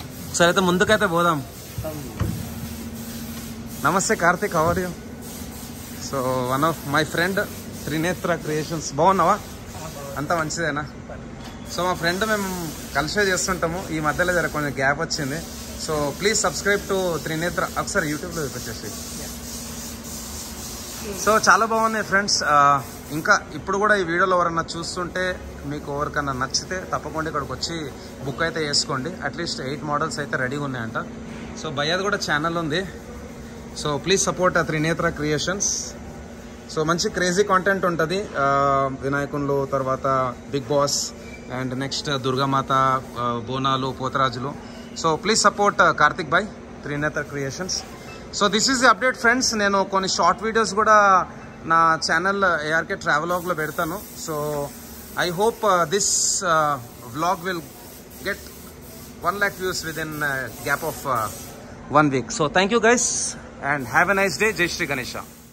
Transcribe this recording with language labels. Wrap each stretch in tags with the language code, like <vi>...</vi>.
<te>ఒకసారి అయితే ముందుకైతే పోదాం నమస్తే Karthik</te> <en>how are you so one of my friend</en> <te>Trinetra creations బాగున్నావా అంత మంచిదేనా సో మా ఫ్రెండ్ మేము కలిసే చేస్తుంటాము ఈ మధ్యలో జర కొంచెం గ్యాప్ వచ్చింది so</te> <en>please subscribe to Trinetra</en> <te>ఒకసారి యూట్యూబ్లో చూపించేసి సో చాలా బాగున్నాయి ఫ్రెండ్స్ ఇంకా ఇప్పుడు కూడా ఈ వీడియోలో ఎవరన్నా చూస్తుంటే మీకు ఎవరికన్నా నచ్చితే తప్పకుండా ఇక్కడికి వచ్చి బుక్ అయితే వేసుకోండి అట్లీస్ట్ 8 మోడల్స్ అయితే రెడీగా ఉన్నాయంట సో భయ్యాది కూడా ఛానల్ ఉంది</te> <en>So please support Trinetra creations.</en> <te>So मंची crazy content उंटदी వినాయకుండ్ల తర్వాత big boss and next Durgamata Bonalu పోతరాజులు.</te> <en>So please support Karthik Bhai Trinetra creations. So this is the update friends.</en> <te>నేను కొన్ని షార్ట్ వీడియోస్ కూడా నా ఛానల్ ఏఆర్కే ట్రావెలాగ్ లో పెడతాను.</te> <en>So I hope this vlog will get 1 lakh views within gap of 1 week. So thank you guys and have a nice day. Jai Shri Ganesha.</en>